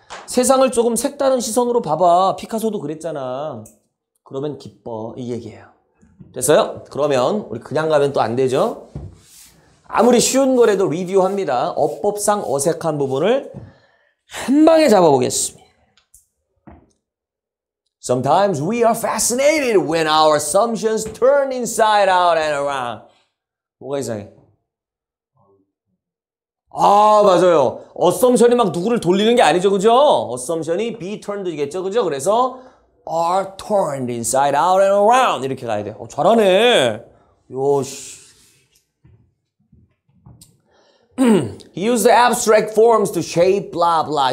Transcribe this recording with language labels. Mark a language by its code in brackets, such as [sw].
[ko] 세상을 조금 색다른 시선으로 봐봐. 피카소도 그랬잖아. 그러면 기뻐. 이 얘기예요. 됐어요? 그러면 우리 그냥 가면 또 안 되죠? 아무리 쉬운 거라도 리뷰합니다. 어법상 어색한 부분을 한 방에 잡아보겠습니다. [en] Sometimes we are fascinated when our assumptions turn inside out and around. [ko] 뭐가 이상해? 아, 맞아요. 어썸션이 막 누구를 돌리는 게 아니죠, 그죠? 어썸션이 [en] be turned [ko] 이겠죠, 그죠? 그래서 [en] are turned inside out and around [ko] 이렇게 가야 돼. 잘하네. 요시. [en] He used abstract forms to shape blah blah.